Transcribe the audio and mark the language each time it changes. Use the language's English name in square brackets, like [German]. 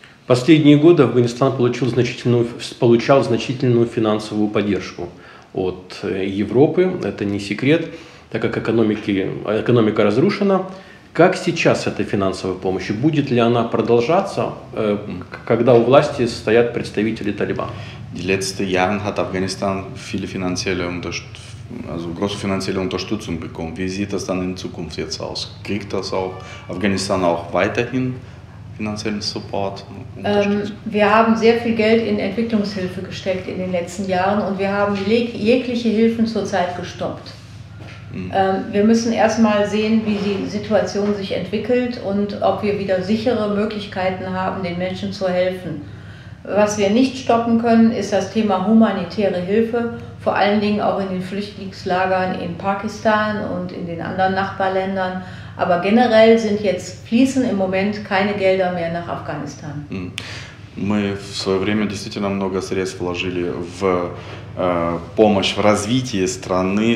[Russian] Последние годы Афганистан получал значительную финансовую поддержку от Европы, это не секрет. Так как экономика разрушена, как сейчас эта финансовая помощь? Будет ли она продолжаться, когда у власти стоят представители Талибан? [German] Die letzten Jahre hat Afghanistan viele finanzielle Unterstützung, also große finanzielle Unterstützung bekommen. Wie sieht das dann in Zukunft jetzt aus? Kriegt das auch Afghanistan auch weiterhin finanziellen Support? Wir haben sehr viel Geld in Entwicklungshilfe gesteckt in den letzten Jahren und wir haben jegliche Hilfen zurzeit gestoppt. Wir müssen erstmal sehen, wie die Situation sich entwickelt und ob wir wieder sichere Möglichkeiten haben, den Menschen zu helfen. Was wir nicht stoppen können, ist das Thema humanitäre Hilfe, vor allen Dingen auch in den Flüchtlingslagern in Pakistan und in den anderen Nachbarländern. Aber generell fließen im Moment keine Gelder mehr nach Afghanistan. [Russian] Мы в свое время действительно много средств вложили в помощь, в развитие страны.